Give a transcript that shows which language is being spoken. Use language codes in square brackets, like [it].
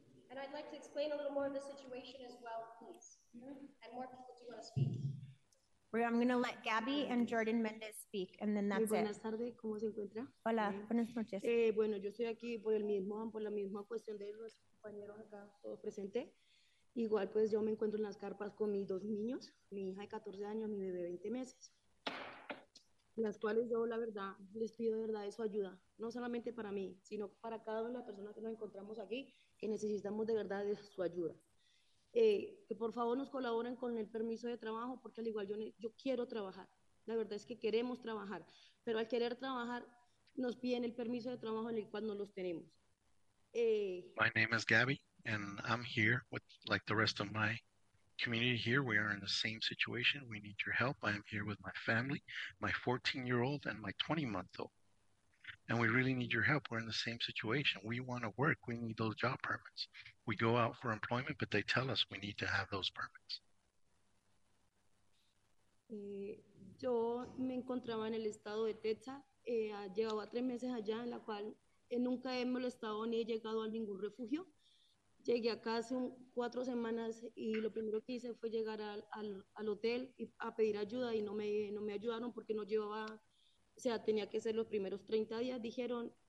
[en] And I'd like to explain a little more of the situation as well, please. Mm-hmm. And more people do want to speak. I'm going to let Gabby and Jordan Mendez speak, and then that's [es] buenas [en] it. [es] Buenas tardes, ¿cómo se encuentra? Hola, buenas noches. Bueno, yo estoy aquí por la misma cuestión de los compañeros acá, todos presentes. Igual, pues, yo me encuentro en las carpas con mis dos niños, mi hija de 14 años, mi bebé de 20 meses, las cuales yo, la verdad, les pido de verdad su ayuda, no solamente para mí, sino para cada una de las personas que nos encontramos aquí, que necesitamos de verdad de su ayuda. Que por favor nos colaboren con el permiso de trabajo, porque al igual yo quiero trabajar, la verdad es que queremos trabajar, pero al querer trabajar nos piden el permiso de trabajo en el cual no los tenemos. [en] My name is Gabby and I'm here with like the rest of my community here. We are in the same situation. We need your help. I am here with my family, my 14-year-old and my 20-month-old, and we really need your help. We're in the same situation. We want to work. We need those job permits. We go out for employment, but they tell us we need to have those permits. [es] Yo me encontraba en el estado de Texas. Llevaba tres meses allá, en la cual nunca he molestado ni he llegado a ningún refugio. Llegué acá hace cuatro semanas y lo primero que hice fue llegar al hotel y a pedir ayuda y no me ayudaron porque no llevaba, o sea, tenía que ser los primeros 30 días, dijeron.